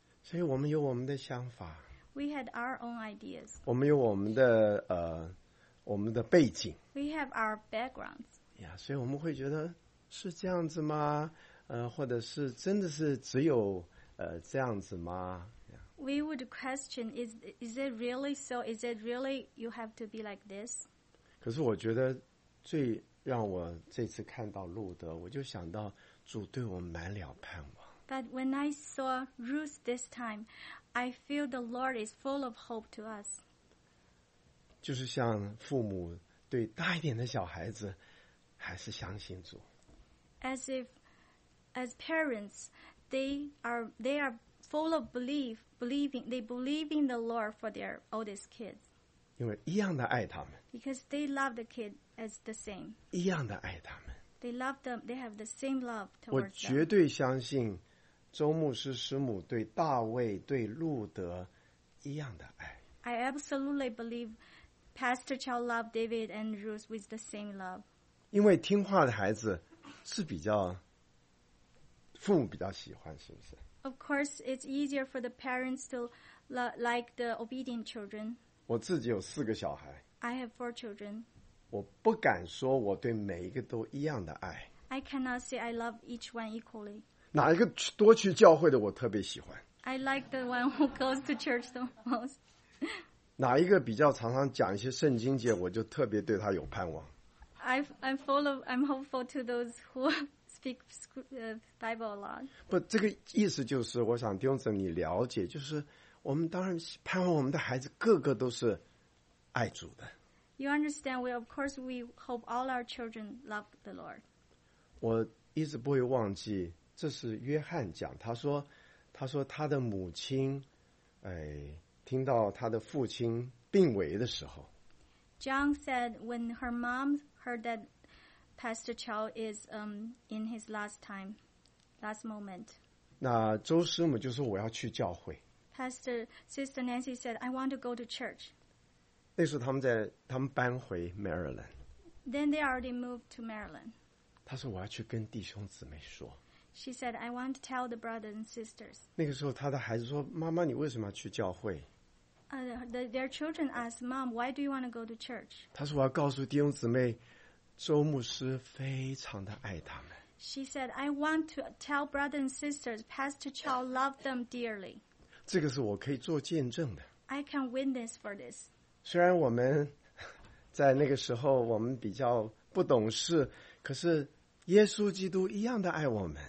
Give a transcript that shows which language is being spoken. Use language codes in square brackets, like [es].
[zh] 所以我们有我们的想法。 [en] We had our own ideas. [zh] 我们有我们的我们的背景。 [en] We have our backgrounds. [zh] 呀，所以我们会觉得是这样子吗？或者是真的是只有这样子吗？ [en] We would question, is it really so? Is it really you have to be like this? [zh] 可是我觉得最让我这次看到路德，我就想到主对我满了盼望。 [en] But when I saw Ruth this time, I feel the Lord is full of hope to us. [zh] 就是像父母对大一点的小孩子，还是相信主。 [en] As parents, they are full of believing in the Lord for their oldest kids. [zh] 因为一样的爱他们。 [en] Because they love the kid as the same. [zh] 一样的爱他们。 [en] They love them. They have the same love towards them. [zh] 我绝对相信，周牧师师母对大卫对路德一样的爱。 [en] I absolutely believe Pastor Chow loved David and Ruth with the same love. [zh] 因为听话的孩子是比较父母比较喜欢，是不是？ [en] Of course, it's easier for the parents to like the obedient children. [zh] 我自己有四个小孩。 [en] I have four children. [zh] 我不敢说我对每一个都一样的爱。 [en] I cannot say I love each one equally. [zh] 哪一个多去教会的我特别喜欢？ [en] I like the one who goes to church the most. [zh] 哪一个比较常常讲一些圣经节，我就特别对他有盼望。 [en] I'm hopeful to those who speak Bible a lot. [zh] 不，这个意思就是，我想弟兄姊妹你了解，就是我们当然盼望我们的孩子个个都是爱主的。 [en] You understand? Well, of course, we hope all our children love the Lord. [zh] 我一直不会忘记，这是约翰讲，他说他的母亲，听到他的父亲病危的时候。 [en] John said when her mom heard that Pastor Chow is in his last moment. [zh] 那周师母就说我要去教会。 [en] Pastor Sister Nancy said, I want to go to church. [zh] 那时候他们搬回 Maryland. [en] Then they already moved to Maryland. [zh] 他说我要去跟弟兄姊妹说。 [en] She said, I want to tell the brothers and sisters. [zh] 那个时候他的孩子说，妈妈你为什么要去教会？ [en] Their children asked, Mom, why do you want to go to church? [zh] 他说我要告诉弟兄姊妹，周牧师非常的爱他们。 [en] She said, I want to tell brothers and sisters, Pastor Chow loved them dearly. [zh] 这个是我可以做见证的。 [en] I can witness for this. [zh] 虽然我们在那个时候我们比较不懂事，可是耶稣基督一样的爱我们。